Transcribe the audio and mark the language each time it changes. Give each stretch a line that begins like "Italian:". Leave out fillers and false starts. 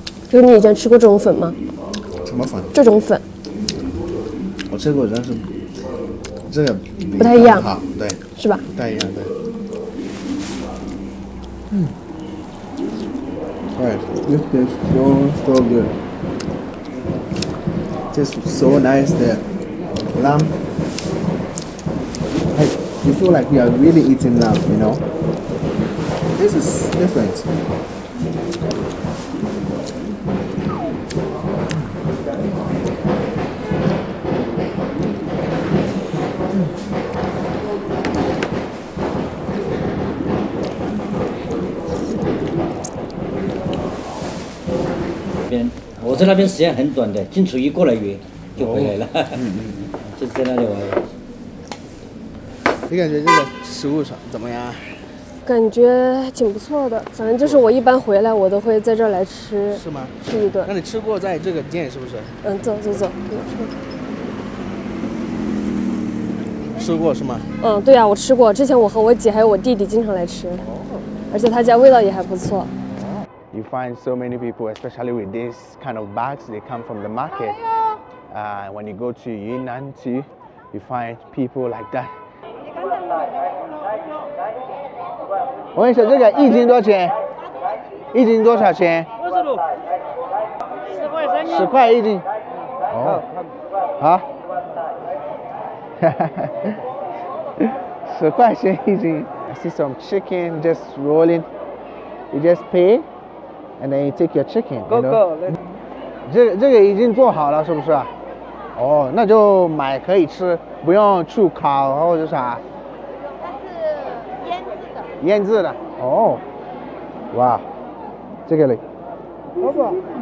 Chinese: 就你以前吃过这种粉吗？什么粉？这种粉。我吃过，但是这个不太一样。好，对，是吧？不太一样，对。嗯。
English: Right, this is so good. This is so nice. The lamb. Hey, you feel like you are really eating lamb, you know? This is different. I'm from Cashapp, I'm from Cashapp.
Chinese: 感觉挺不错的，反正就是我一般回来，我都会在这儿来吃。是吗？吃一顿。那你吃过在这个店是不是？嗯，走走走。吃过是吗？嗯，对啊，我吃过。之前我和我姐还有我弟弟经常来吃，而且他家味道也还不错。
English: You find so many people, especially with this kind of bags, they come from the market. When you go to Yunnan too, you find people like that.
Chinese: 我问一下，这个一斤多少钱？一斤多少钱？ 50卢，10块一斤。哦，好。哈哈哈。
English: so quite amazing. I see some chicken just rolling. You just pay, and then you take your chicken. Go, you know? Go.
Chinese: 这个已经做好了，是不是？哦，那就买可以吃，不用去烤或者啥。它是腌制的。腌制的。哦，哇，这个嘞。老板，